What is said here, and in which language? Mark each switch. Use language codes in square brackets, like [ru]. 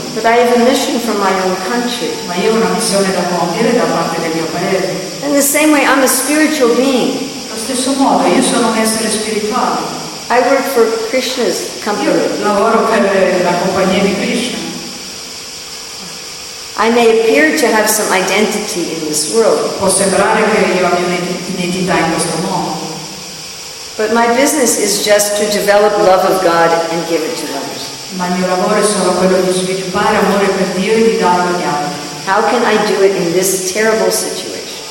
[en] But I have a mission from my own country. [it] Ma io ho una missione da compiere da parte del mio paese. [en] In the same way, I'm a spiritual being. [it] Allo stesso modo, io sono un essere spirituale. [en] I work for Krishna's company. [it] Io lavoro per la compagnia di Krishna. [en] I may appear to have some identity in this world. [it] Può sembrare che io abbia un'identità in questo mondo. [en] But my business is just to develop love of God and give it to others. [it] Ma il mio lavoro è solo quello di sviluppare amore per Dio e di darlo agli altri. [en] How can I do it in this terrible situation?